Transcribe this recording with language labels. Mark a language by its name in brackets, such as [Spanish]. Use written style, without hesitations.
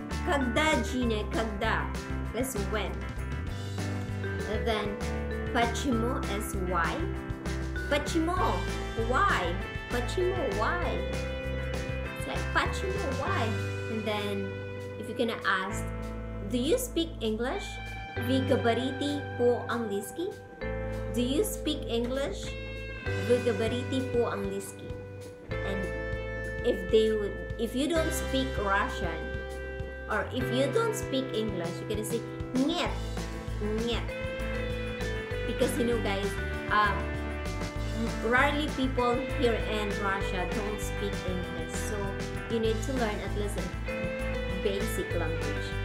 [English] Когда Gina? Когда is when? And then почему is why? Почему? Why? Почему? Why? It's like почему? Why? And then if you're gonna ask, do you speak English? [Russian] Ви говорите по-английски? [English] Do you speak English? [Russian] Ви говорите по-английски? [English] And if you don't speak Russian, or if you don't speak English, you're gonna say [Russian] нет, нет. [English] Because you know, guys, rarely people here in Russia don't speak English, so you need to learn at least a basic language.